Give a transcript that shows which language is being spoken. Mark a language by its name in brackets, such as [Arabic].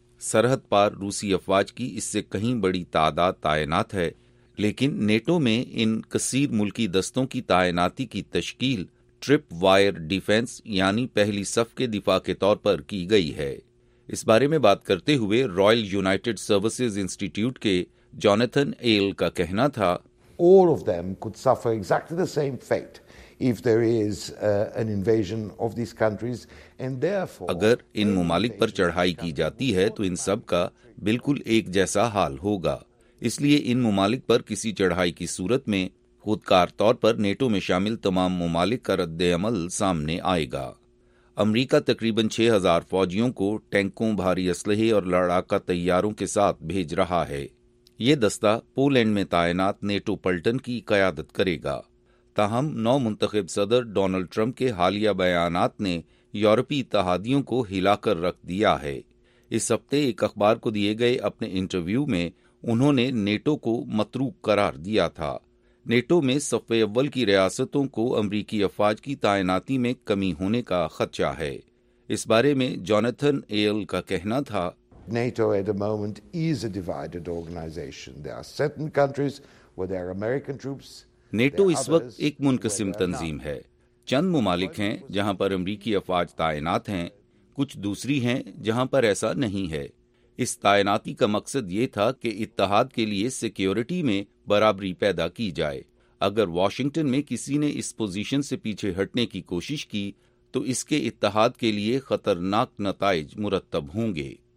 [Urdu] سرحد پار روسی افواج کی اس سے کہیں بڑی تعداد تعینات ہے، لیکن نیٹو میں ان کثیر ملکی دستوں کی تعیناتی کی تشکیل ٹرپ وائر ڈیفنس یعنی پہلی صف کے دفاع کے طور پر کی گئی ہے۔ اس بارے میں بات کرتے ہوئے رائل یونائیٹڈ سروسز انسٹیٹیوٹ کے جوناتھن ایل کا کہنا تھا، [English] All of them could suffer exactly the same fate. If there is an invasion of these countries and therefore [Urdu] اگر ان ممالک پر چڑھائی کی جاتی ہے تو ان سب کا بالکل ایک جیسا حال ہوگا، اس لیے ان ممالک پر کسی چڑھائی کی صورت میں خودکار طور پر نیٹو میں شامل تمام ممالک کا رد عمل سامنے آئے گا۔ امریکہ تقریباً 6,000 فوجیوں کو ٹینکوں، بھاری اسلحے اور لڑاکا طیاروں کے ساتھ بھیج رہا ہے۔ یہ دستہ پولینڈ میں تعینات نیٹو پلٹن کی قیادت کرے گا۔ تاہم نو منتخب صدر ڈونلڈ ٹرمپ کے حالیہ بیانات نے یورپی اتحادیوں کو ہلا کر رکھ دیا ہے۔ اس ہفتے ایک اخبار کو دیے گئے اپنے انٹرویو میں انہوں نے نیٹو کو متروک قرار دیا تھا۔ نیٹو میں صف اول کی ریاستوں کو امریکی افواج کی تعیناتی میں کمی ہونے کا خدشہ ہے. اس بارے میں جوناتھن ایل کا کہنا تھا. [English] NATO at the moment is a divided organization. There are certain countries where there are American troops. [Urdu] NATO اس وقت ایک منقسم تنظیم ہے. چند ممالک ہیں جہاں پر امریکی افواج تعینات ہیں, کچھ دوسری ہیں جہاں پر ایسا نہیں ہے. اس تعیناتی کا مقصد یہ تھا کہ اتحاد کے لیے سیکیورٹی میں برابری پیدا کی جائے. اگر واشنگٹن میں کسی نے اس پوزیشن سے پیچھے ہٹنے کی کوشش کی تو اس کے اتحاد کے لیے خطرناک نتائج مرتب ہوں گے.